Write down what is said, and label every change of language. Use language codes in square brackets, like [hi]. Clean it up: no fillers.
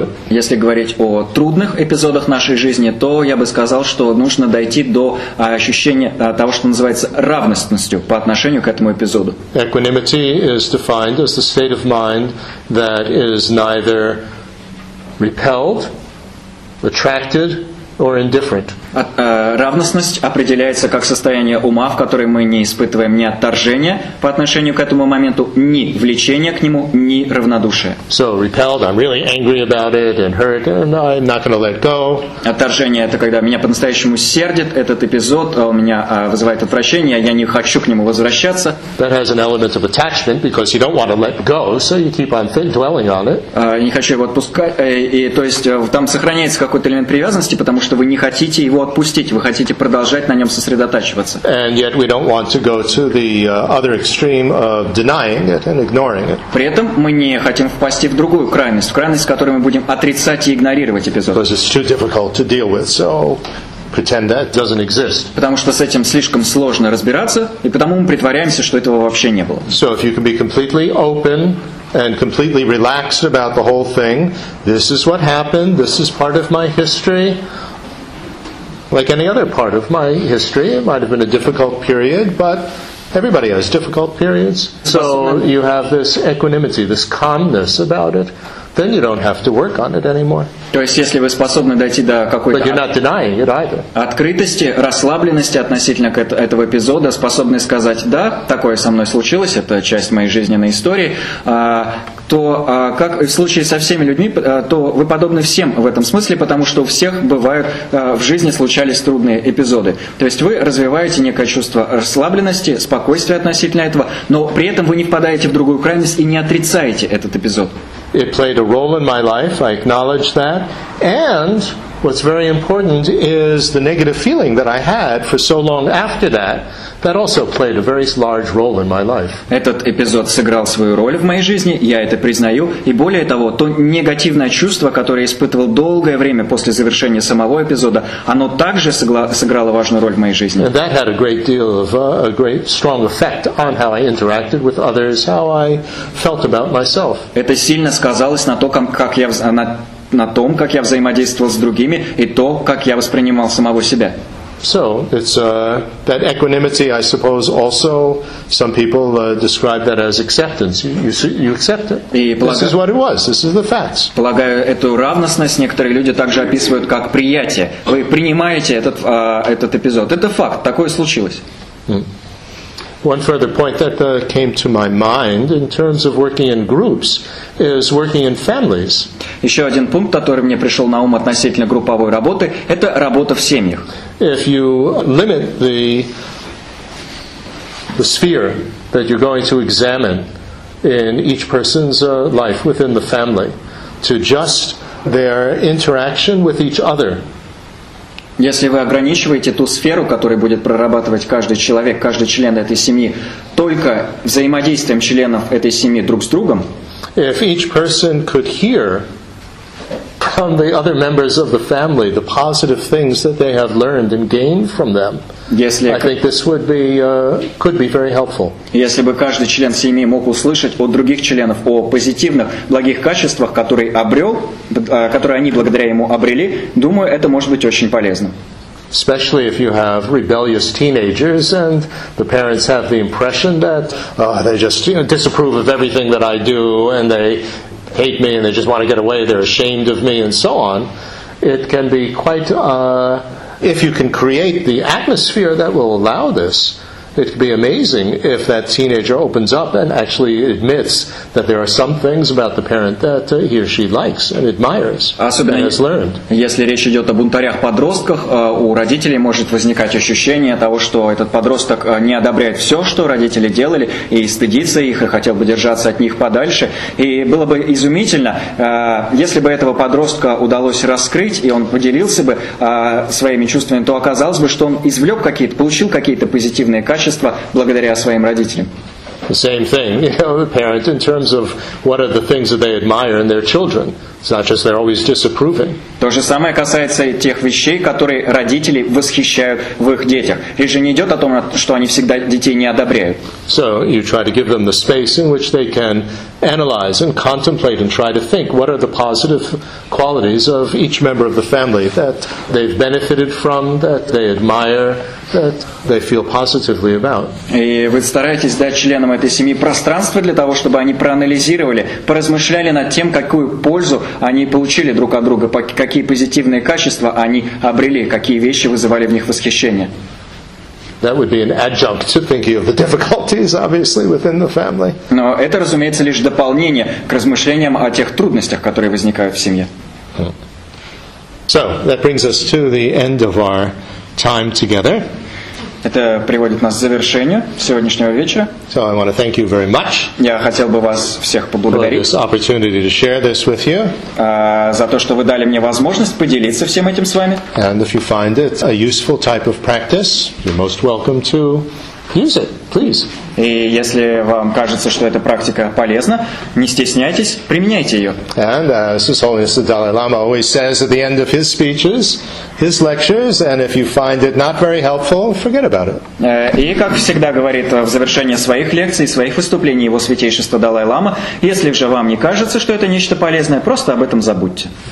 [ru] Если говорить о трудных эпизодах нашей жизни, то я бы сказал, что нужно дойти до ощущения того, что называется равностностью по отношению к этому эпизоду. [en] Equanimity is defined as the state of mind that is neither repelled, attracted, or indifferent. [ru] Равностность определяется как состояние ума, в котором мы не испытываем ни отторжения по отношению к этому моменту, ни влечения к нему, ни равнодушия. [en] So repelled, I'm really angry about it and hurt, and I'm not going to let go. [ru] Отторжение – это когда меня по-настоящему сердит этот эпизод, он меня вызывает отвращение, я не хочу к нему возвращаться. [en] That has an element of attachment because you don't want to let go, so you keep on dwelling on it. [ru] Не хочу его отпускать, и то есть там сохраняется какой-то элемент привязанности, потому что вы не хотите его отпустить, вы хотите продолжать на нем сосредотачиваться. [en] And yet we don't want to go to the other extreme of denying it and ignoring it. [ru] При этом мы не хотим впасть в другую крайность, в крайность, в которой мы будем отрицать и игнорировать эпизод. [en] Because it's too difficult to deal with, so pretend that doesn't exist. [ru] Потому что с этим слишком сложно разбираться, и потому мы притворяемся, что этого вообще не было. [en] So if you can be completely open and completely relaxed about the whole thing, this is what happened, this is part of my history. Like any other part of my history, it might have been a difficult period, but everybody has difficult periods. So you have this equanimity, this calmness about it. Then you don't have to work on it anymore. [ru] То есть, если вы способны дойти до какой-то, [en] but you're not denying it either. [ru] Открытости, расслабленности относительно этого эпизода, способны сказать: да, такое со мной случилось, это часть моей жизненной истории. то как в случае со всеми людьми, то вы подобны всем в этом смысле, потому что у всех бывают в жизни случались трудные эпизоды. То есть вы развиваете некое чувство расслабленности, спокойствия относительно этого, но при этом вы не впадаете в другую крайность и не отрицаете этот эпизод. [en] It played a role in my life, I acknowledge that. And what's very important is the negative feeling that I had for so long after that. That also played a very large role in my life. [ru] Этот эпизод сыграл свою роль в моей жизни, я это признаю. И более того, то негативное чувство, которое я испытывал долгое время после завершения самого эпизода, оно также сыграло важную роль в моей жизни. [en] And that had a great deal of a great strong effect on how I interacted with others, how I felt about myself. [ru] Это сильно сказалось на то, как я на том, как я взаимодействовал с другими, и то, как я воспринимал самого себя. [en] So it's that equanimity, I suppose, also some people describe that as acceptance. You accept it. This is what it was. This is the facts. [ru] Полагаю, эту равностность некоторые люди также описывают как приятие. Вы принимаете этот эпизод. Это факт. Такое случилось. [en] One further point that came to my mind in terms of working in groups is working in families. [ru] Еще один пункт, который мне пришел на ум относительно групповой работы, это работа в семьях. [en] If you limit the sphere that you're going to examine in each person's life within the family to just their interaction with each other, [ru] если вы ограничиваете ту сферу, которую будет прорабатывать каждый человек, каждый член этой семьи, только взаимодействием членов этой семьи друг с другом, [en] if each person could hear from the other members of the family the positive things that they have learned and gained from them, I think this would be could be very helpful. [ru] Если бы каждый член семьи мог услышать от других членов о позитивных благих качествах, которые обрел, которые они благодаря ему обрели, думаю, это может быть очень полезно. [en] Especially if you have rebellious teenagers and the parents have the impression that they just disapprove of everything that I do and they hate me and they just want to get away, they're ashamed of me and so on, it can be quite if you can create the atmosphere that will allow this, it could be amazing if that teenager opens up and actually admits that there are some things about the parent that he or she likes and admires [ru] Особенно [en] and has learned. [ru] Если речь идет о бунтарях-подростках, у родителей может возникать ощущение того, что этот подросток не одобряет все, что родители делали, и стыдится их, и хотел бы держаться от них подальше. И было бы изумительно, если бы этого подростка удалось раскрыть, и он поделился бы своими чувствами, то оказалось бы, что он извлек какие-то, получил какие-то позитивные качества благодаря своим родителям. [en] The same thing, you know, the parent in terms of what are the things that they admire in their children. It's not just they're always disapproving. [ru] То же самое касается и тех вещей, которые родители восхищают в их детях. Речь же не идет о том, что они всегда детей не одобряют. [en] So you try to give them the space in which they can analyze and contemplate and try to think what are the positive qualities of each member of the family that they've benefited from, that they admire, that they feel positively about. [ru] И вы стараетесь дать членам этой семьи пространство для того, чтобы они проанализировали, поразмышляли над тем, какую пользу они получили друг от друга, какие позитивные качества они обрели, какие вещи вызывали в них восхищение. [en] That would be an adjunct to thinking of the difficulties, obviously, within the family. [ru] Но это, разумеется, лишь дополнение к размышлениям о тех трудностях, которые возникают в семье. [en] So, that brings us to the end of our time together. [ru] Это приводит нас к завершению сегодняшнего вечера. [en] So I want to thank you very much. [ru] Я хотел бы вас всех поблагодарить [en] for this opportunity to share this with you. [ru] За то, что вы дали мне возможность поделиться всем этим с вами. [en] And if you find it a useful type of practice, you're most welcome to use it, please. [ru] И если вам кажется, что эта практика полезна, не стесняйтесь, применяйте ее. [en] And as His Holiness the Dalai Lama always says at the end of his speeches, his lectures, and if you find it not very helpful, forget about it. [ru] И как всегда говорит в завершении своих лекций, своих выступлений его святейшество Далай Лама, если же вам не кажется, что это нечто полезное, просто об этом забудьте.